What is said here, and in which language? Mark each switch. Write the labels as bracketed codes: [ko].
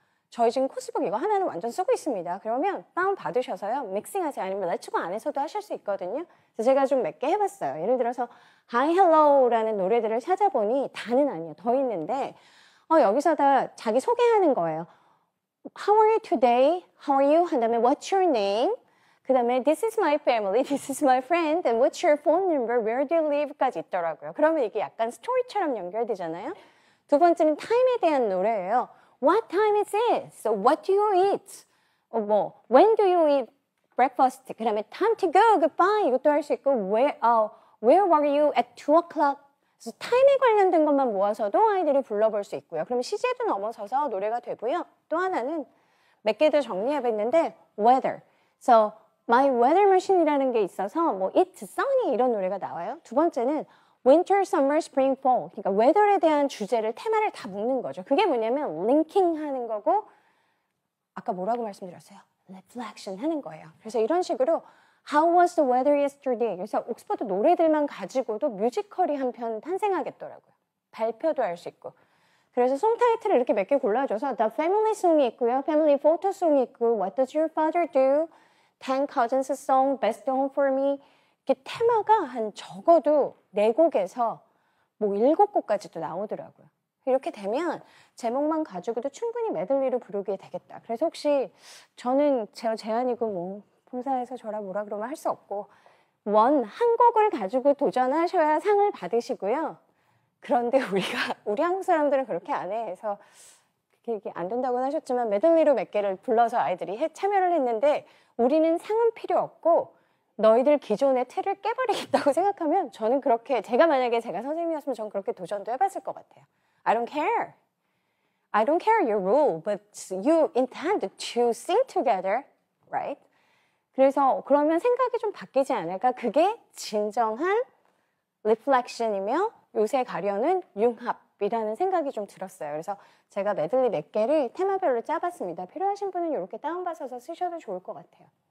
[ko] 저희 지금 코스북 이거 하나는 완전 쓰고 있습니다. 그러면 빵 받으셔서요. 믹싱하세요. 아니면 레츠고 안에서도 하실 수 있거든요. 그래서 제가 좀 몇 개 해봤어요. 예를 들어서 Hi, Hello라는 노래들을 찾아보니 다는 아니에요. 더 있는데 여기서 다 자기 소개하는 거예요. [en] How are you today? How are you? [ko] 한 다음에 [en] What's your name? [ko] 그 다음에 [en] This is my family, this is my friend, and what's your phone number, where do you live까지 [ko] 있더라고요. 그러면 이게 약간 스토리처럼 연결되잖아요. 두 번째는 time에 대한 노래예요. [en] What time is it? So what do you eat? 뭐, when do you eat breakfast? [ko] 그 다음에 [en] time to go, goodbye. [ko] 이것도 할 수 있고 [en] where were you at 2 o'clock? [ko] 그래서 time에 관련된 것만 모아서도 아이들이 불러볼 수 있고요. 그럼 시제도 넘어서서 노래가 되고요. 또 하나는 몇 개 더 정리해봤는데 weather. So My Weather Machine이라는 게 있어서 뭐 It's Sunny 이런 노래가 나와요. 두 번째는 [en] Winter, Summer, Spring, Fall. [ko] 그러니까 Weather에 대한 주제를, 테마를 다 묶는 거죠. 그게 뭐냐면 Linking 하는 거고 아까 뭐라고 말씀드렸어요? Reflection 하는 거예요. 그래서 이런 식으로 [en] How was the weather yesterday? [ko] 그래서 옥스퍼드 노래들만 가지고도 뮤지컬이 한 편 탄생하겠더라고요. 발표도 할 수 있고. 그래서 송 타이틀을 이렇게 몇 개 골라줘서 The Family Song이 있고요. [en] Family Photo Song이 [ko] 있고 [en] What does your father do? 10 Cousins Song, Best Home for Me. [ko] 이렇게 테마가 한 적어도 네 곡에서 뭐 일곱 곡까지도 나오더라고요. 이렇게 되면 제목만 가지고도 충분히 메들리로 부르게 되겠다. 그래서 혹시 저는 제 제안이고 뭐 품사에서 저라 뭐라 그러면 할 수 없고 원, 한 곡을 가지고 도전하셔야 상을 받으시고요. 그런데 우리가, 우리 한국 사람들은 그렇게 안 해. 그래서 이게 안 된다고는 하셨지만 메들리로 몇 개를 불러서 아이들이 참여를 했는데 우리는 상은 필요 없고 너희들 기존의 틀을 깨버리겠다고 생각하면 저는 그렇게 제가 만약에 제가 선생님이었으면 저는 그렇게 도전도 해봤을 것 같아요. [en] I don't care. I don't care your rule, but you intend to sing together, right? [ko] 그래서 그러면 생각이 좀 바뀌지 않을까? 그게 진정한 reflection이며 요새 가려는 융합. 이라는 생각이 좀 들었어요. 그래서 제가 메들리 몇 개를 테마별로 짜봤습니다. 필요하신 분은 이렇게 다운받아서 쓰셔도 좋을 것 같아요.